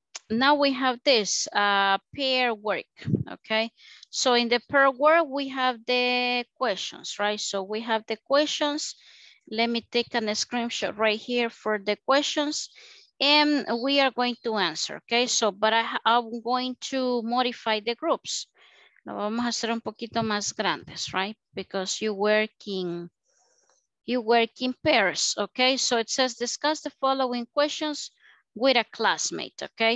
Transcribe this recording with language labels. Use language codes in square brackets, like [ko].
[en] Now we have this pair work, okay? So in the pair work, we have the questions, right? So we have the questions. Let me take a screenshot right here for the questions and we are going to answer, okay? So, but I'm going to modify the groups. [es] Lo vamos a hacer un poquito más grandes, right? [en] Because you work in pairs, okay? So it says, discuss the following questions with a classmate, okay?